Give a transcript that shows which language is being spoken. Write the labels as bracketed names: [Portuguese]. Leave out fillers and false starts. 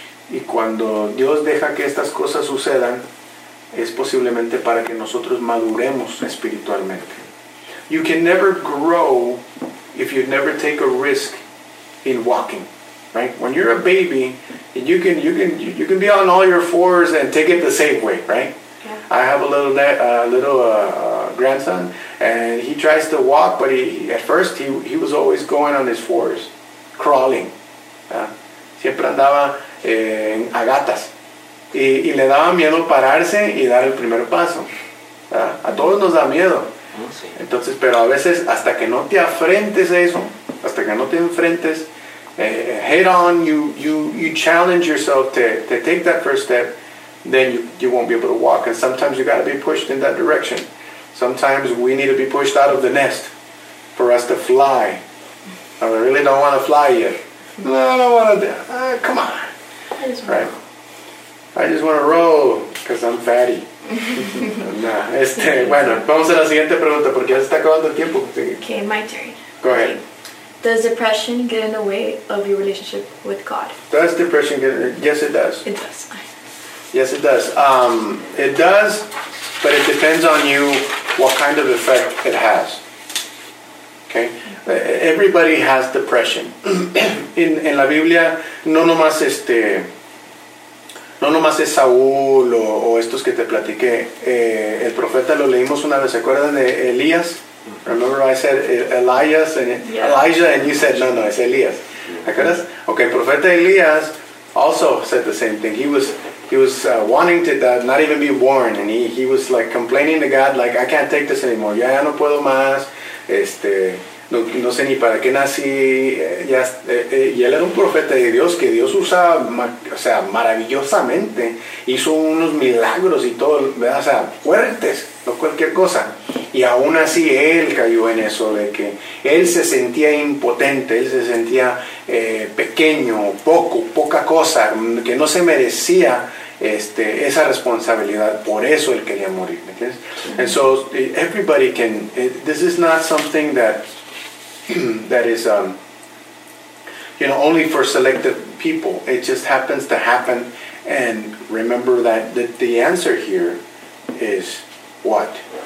[Spanish] Y cuando Dios deja que estas cosas sucedan, es posiblemente para que nosotros maduremos espiritualmente. [English] You can never grow if you never take a risk in walking, right? When you're a baby, you can be on all your fours and take it the safe way, right? Yeah. I have a little grandson, and he tries to walk, but at first he was always going on his fours, crawling. [Spanish] Siempre andaba en agatas, y le daba miedo pararse y dar el primer paso. A todos nos da miedo. Entonces, pero a veces hasta que no te afrentes a eso, hasta que no te enfrentes, [English] head on, you challenge yourself to take that first step, then you won't be able to walk. And sometimes you got to be pushed in that direction. Sometimes we need to be pushed out of the nest for us to fly. And we really don't want to fly yet. No, I don't want to. Come on. I just want to roll because I'm fatty. [Spanish] vamos a la siguiente pregunta porque ya se está acabando el tiempo. [English] Okay, my turn. Go ahead. Does depression get in the way of your relationship with God? Does depression get in the way? Yes, it does. It does. Yes, it does. It does, but it depends on you what kind of effect it has. Okay? Everybody has depression. [Spanish] En la Biblia, no nomás no nomás es Saúl o estos que te platiqué. El profeta lo leímos una vez, ¿se acuerdan de Elías? [English] Remember I said Elias and yeah. Elijah and you said no, [Spanish] es Elías. ¿Acuerdas? [English] Okay, [Spanish] el profeta Elías [English] also said the same thing. He was wanting to die, not even be born, and he was like complaining to God, like, I can't take this anymore. [Spanish] Ya no puedo más. No sé ni para qué nací. Y él era un profeta de Dios que Dios usaba, o sea, maravillosamente. Hizo unos milagros y todo, ¿verdad? O sea, fuertes, no cualquier cosa. Y aún así él cayó en eso de que él se sentía impotente, él se sentía pequeño, poca cosa, que no se merecía esa responsabilidad. Por eso él quería morir, ¿me entiendes? Mm-hmm. [English] And so everybody can, this is not something that is only for selected people. It just happens to happen. And remember that the answer here is what?